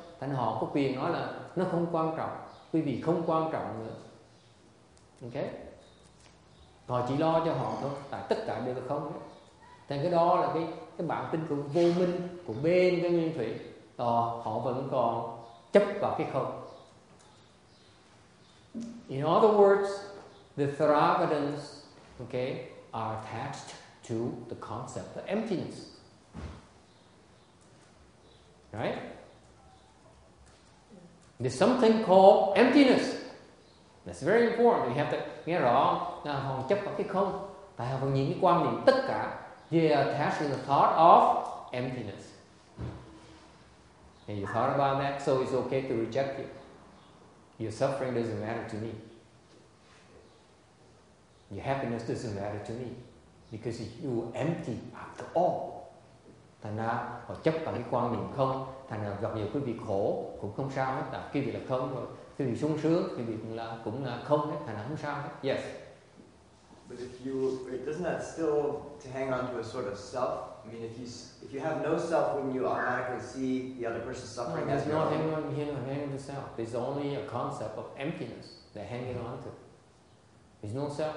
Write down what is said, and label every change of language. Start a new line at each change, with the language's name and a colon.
Vietnamese: Tại họ có quyền nói là nó không quan trọng, quý vị không quan trọng nữa. Ok, họ chỉ lo cho họ thôi, tại tất cả đều là không hết. Thành cái đó là cái bản tính của vô minh, của bên cái nguyên thủy, họ vẫn còn chấp vào cái không.
English: In other words, the Theravadins, okay, are attached to the concept of emptiness. Right? There's something called emptiness. That's very important. You have to
Vietnamese: nghe rõ. Nào, hồn chấp vào cái không. Tại hồn nhìn cái quan niệm tất cả.
English: They are attached to the thought of emptiness. And you thought about that, so it's okay to reject it. Your suffering doesn't matter to me. Your happiness doesn't matter to me. Because you are empty after all.
Vietnamese: Thành ra, họ chấp vào cái quan niệm không. Thành ra, gặp nhiều quý vị khổ, cũng không sao hết. Tại quý vị là không, quý vị sung sướng, quý vị cũng là không hết. Thành ra, không sao hết. Yes.
English: But if you, doesn't that still to hang on to a sort of self? I mean, if you have no self, wouldn't you automatically see the other person suffering? No, there's not anyone here hanging to self. There's only a concept of emptiness they're hanging on to. There's no self.